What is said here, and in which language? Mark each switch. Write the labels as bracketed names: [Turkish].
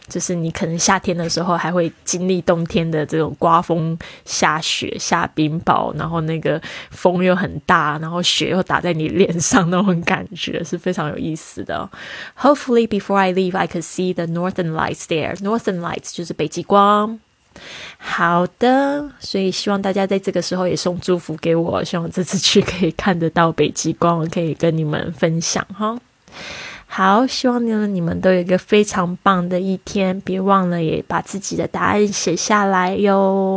[Chinese] 就是你可能夏天的时候还会经历冬天的这种刮风下雪下冰雹，然后那个风又很大，然后雪又打在你脸上，那种感觉是非常有意思的。 [English] Hopefully before I leave I could see the northern lights there. [Chinese] Northern lights 就是北极光。好的，所以希望大家在这个时候也送祝福给我，希望我这次去可以看得到北极光，我可以跟你们分享哈。好，希望你们都有一个非常棒的一天，别忘了也把自己的答案写下来哟。